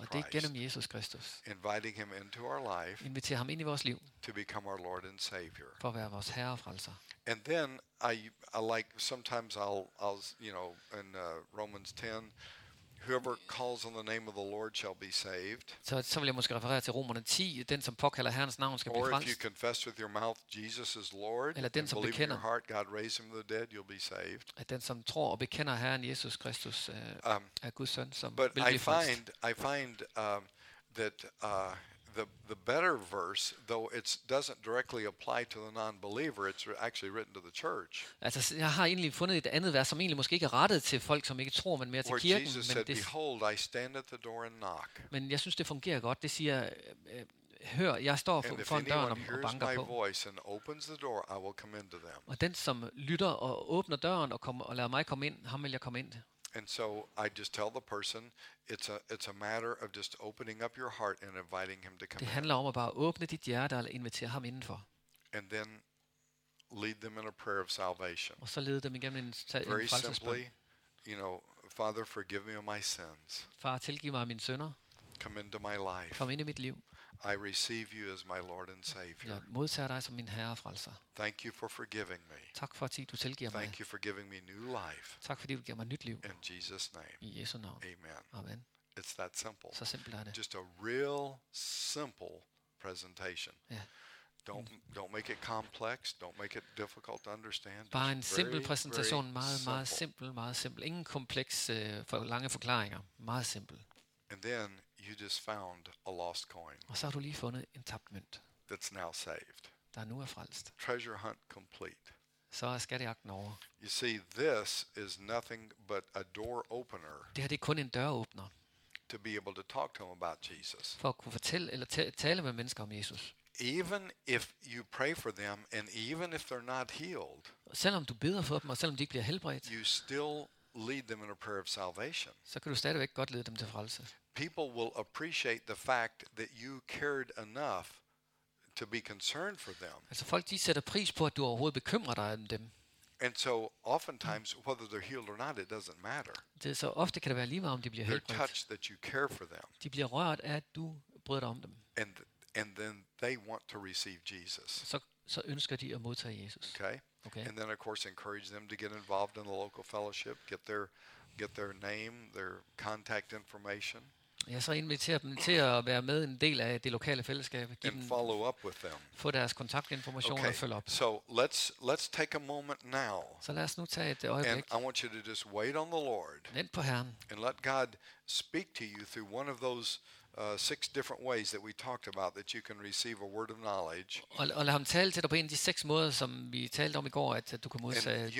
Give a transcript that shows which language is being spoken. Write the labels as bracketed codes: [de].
[da] Og det er gennem Jesus Kristus. [en] Inviting him into our life. [da] Inviterer ham ind i vores liv. [en] To become our Lord and Savior. [da] For at være vores herre og frelser. [en] And then I like sometimes I'll you know in Romans 10, whoever calls on the name of the Lord shall be saved. [da] Så vil jeg måske referere til Romerne 10, den som påkalder Herrens navn skal blive frelst. [en] Or if you confess with your mouth Jesus is Lord, [da] eller den som [en] believe in your heart God raised him from the dead, you'll be saved. [da] At den som tror og bekender Herren Jesus Kristus er Guds søn, som [en] but [da] vil blive frelst. [en] I find that the better verse, though it doesn't directly apply to the non-believer, it's actually written to the church. [da] Altså, jeg har egentlig fundet et andet vers, som egentlig måske ikke er rettet til folk, som ikke tror, men mere til kirken. [en] Where Jesus said, "Behold, I stand at the door and knock." [da] Men jeg synes, det fungerer godt. Det siger, hør, jeg står foran døren og banker på. [en] And if anyone hears my voice and opens the door, I will come into them. [da] Og den, som lytter og åbner døren og kommer og lader mig komme ind, ham vil jeg komme ind. [en] And so I just tell the person it's a matter of just opening up your heart and inviting him to come. [da] Det handler om at bare åbne dit hjerte og invitere ham indenfor. [en] And then lead them in a prayer of salvation. [da] Og så lede dem igennem en frelsesbøn. [en] Very simply, you know, Father, forgive me of my sins. [da] Far, tilgiv mig mine synder. [en] Come into my life. [da] Kom ind i mit liv. [en] I receive you as my Lord and Savior. [da] Jeg modtager dig som min herre og frelser. [en] Thank you for forgiving me. [da] Tak for at du tilgiver mig. [en] Thank you for giving me new life. [da] Tak fordi du giver mig nyt liv. [en] In Jesus' name. [da] I Jesu navn. Amen. Amen. [en] It's that simple. [da] Så simpelt er det. [en] Just a real simple presentation. Yeah. Don't make it complex. Don't make it difficult to understand. [da] Bare en simpel præsentation, meget simpel. Ingen komplekse for lange forklaringer. Meget simpel. [en] And then you just found a lost coin. [da] Og så har du lige fundet en tabt mønt. [en] That's now saved. [da] Der nu er frelst. [en] Treasure hunt complete. [da] Så er skattejagten over. [en] You see, this is nothing but a door opener. [da] Det her, det er kun en døråbner. [en] To be able to talk to him about Jesus. [da] For at kunne fortælle eller tale med mennesker om Jesus. [en] Even if you pray for them and even if they're not healed. [da] Selvom du beder for dem og selvom de ikke bliver helbredt. [en] You still lead them in a prayer of salvation. [da] Så kan du stadigvæk godt lede dem til frelse. [en] People will appreciate the fact that you cared enough to be concerned for them. [da] Altså folk, de sætter pris på, at du overhovedet bekymrer dig om dem. [en] And so oftentimes, whether they're healed or not, it doesn't matter. [da] Det er så ofte kan det være lige meget, om de bliver helbredt. [en] They're touched that you care for them. [da] De bliver rørt af, at du bryder dig om dem. [en] And then they want to receive Jesus. [da] Så ønsker de at modtage Jesus. Okay. [en] And then of course encourage them to get involved in the local fellowship, get their name, their contact information. [da] Ja, så inviterer dem til at være med en del af det lokale fællesskab. [en] And follow up with them. [da] Få deres kontaktinformation og følge op. [en] So let's take a moment now. [da] Så lad os nu tage et øjeblik. [en] And I want you to just wait on the Lord. [da] Vent på Herren. [en] And let God speak to you through one of those 6 different ways that we talked about that you can receive a word of knowledge. [da] Og lad ham tale til dig på en af de 6 måder, som vi talte om i går, at du kan modtage kundskab på.